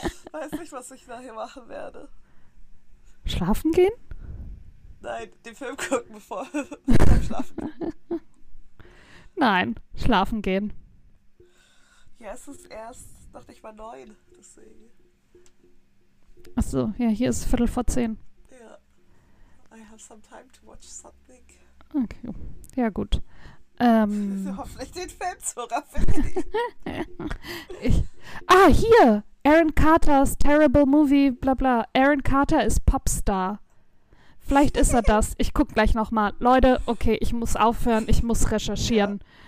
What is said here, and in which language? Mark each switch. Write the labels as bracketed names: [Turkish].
[German] Weiß nicht, was ich nachher machen werde. Schlafen gehen? Nein, den Film gucken, bevor ich schlafen gehe. Nein, schlafen gehen. Ja, es ist erst noch nicht mal 9, deswegen. Achso, ja, hier ist es 9:45. Ja. [English] I have some time to watch something. [German] Okay. Ja, gut. Hoffentlich den Film zu raffinieren. Ah, hier! Aaron Carter's Terrible Movie, bla bla. Aaron Carter ist Popstar. Vielleicht ist er das. Ich guck gleich nochmal. Leute, okay, ich muss aufhören, ich muss recherchieren.